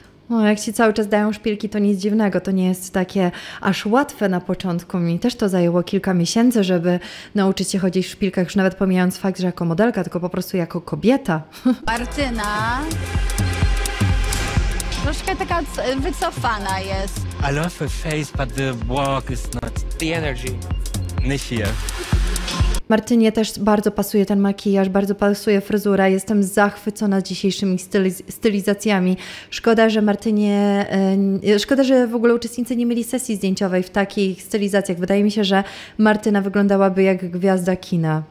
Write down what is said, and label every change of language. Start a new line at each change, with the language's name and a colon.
Polish: No, jak ci cały czas dają szpilki, to nic dziwnego, to nie jest takie aż łatwe na początku. Mi też to zajęło kilka miesięcy, żeby nauczyć się chodzić w szpilkach, już nawet pomijając fakt, że jako modelka, tylko po prostu jako kobieta. Martyna. Troszkę taka wycofana jest.
English: I love her face, but the walk is not the energy. Nie here.
Polish: Martynie też bardzo pasuje ten makijaż, bardzo pasuje fryzura. Jestem zachwycona dzisiejszymi stylizacjami. Szkoda, że w ogóle uczestnicy nie mieli sesji zdjęciowej w takich stylizacjach. Wydaje mi się, że Martyna wyglądałaby jak gwiazda kina.